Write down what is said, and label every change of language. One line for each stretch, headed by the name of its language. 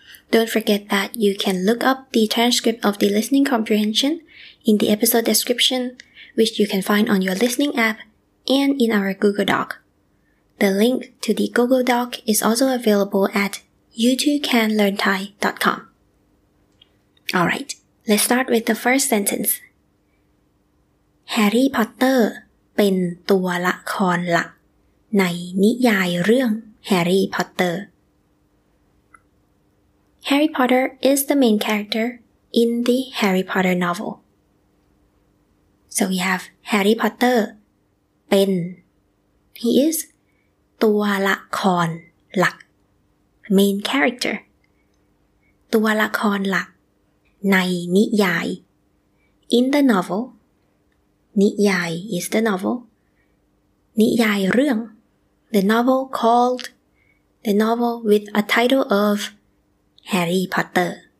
English: Don't forget that you can look up the transcript of the listening comprehension in the episode description, which you can find on your listening app and in our Google Doc. The link to the Google Doc is also available at you2canlearnthai.com. Alright, let's start with the first sentence.
Thai: Harry Potter เป็นตัวละครหลักในนิยายเรื่อง Harry Potter.
English: Harry Potter is the main character in the Harry Potter novel. So we have Harry Potter เป็น He is ตัวละครหลัก Main character
Thai: ตัวละครหลักในนิยาย
English: In the novel นิยาย is the novel
Thai: นิยายเรื่อง
English: The novel called The novel with a title of Harry Potter